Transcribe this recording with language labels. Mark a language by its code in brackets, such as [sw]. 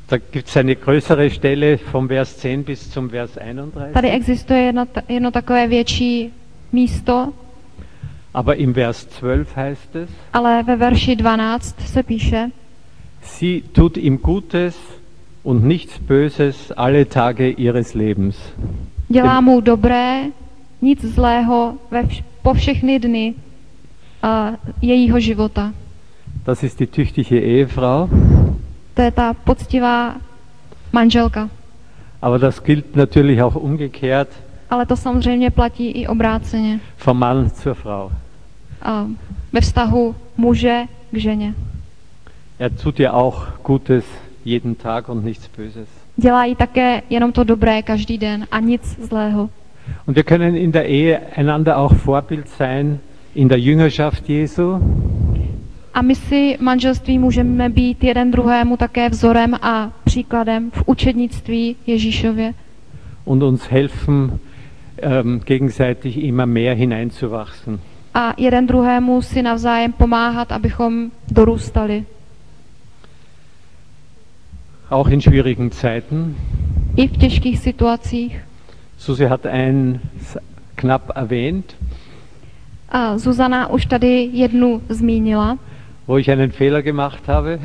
[de] Da gibt es eine größere Stelle vom Vers 10 bis zum Vers 31. [cs] Tady existuje jedno takové větší místo. [de] Aber im Vers 12 heißt es. [cs] Ale ve verši 12 se píše. [de] Sie tut ihm Gutes und nichts Böses alle Tage ihres Lebens. [cs] Dělá mu dobré, nic zlého po všechny dny jejího života. [de] Das ist die tüchtige Ehefrau. [cs] To je ta poctivá manželka. [de] Aber das gilt natürlich auch umgekehrt. [cs] Ale to samozřejmě platí i obráceně. [de] Vom Mann zur Frau. [cs] Ve vztahu muže k ženě. [de] Er tut ihr auch Gutes jeden Tag und nichts Böses. [cs] Dělá jí také jenom to dobré každý den a nic zlého. [de] Und wir können in der Ehe einander auch Vorbild sein in der Jüngerschaft Jesu. [cs] A my si manželství můžeme být jeden druhému také vzorem a příkladem v učednictví Ježíšově. [de] Und uns helfen gegenseitig immer mehr hineinzuwachsen. [cs] A jeden druhému si navzájem pomáhat, abychom dorůstali. [de] Auch in schwierigen Zeiten. [cs] I v těžkých situacích. [de] Susi hat ein knapp erwähnt. [cs] Susanna už tady jednu zmínila. [de] Wo ich einen Fehler gemacht habe.